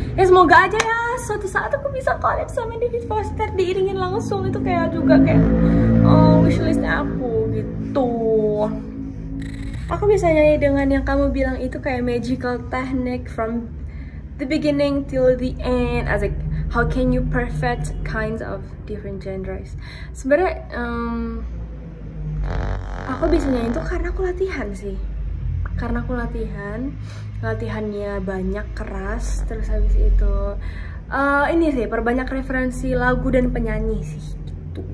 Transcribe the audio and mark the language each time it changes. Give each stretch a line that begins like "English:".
Indonesian: Ya semoga aja ya suatu saat aku bisa collab sama David Foster diiringin langsung. Itu kayak juga kayak wishlistnya aku gitu. Aku bisa nyanyi dengan yang kamu bilang itu kayak
English: magical technique from the beginning till the end,
Indonesian: asik.
English: How can you perfect kinds of different genres?
Indonesian: Sebenarnya, aku bisa nyanyi itu karena aku latihan sih. Karena aku latihan, latihannya banyak, keras. Terus habis itu, ini sih, perbanyak referensi lagu dan penyanyi sih. Gitu.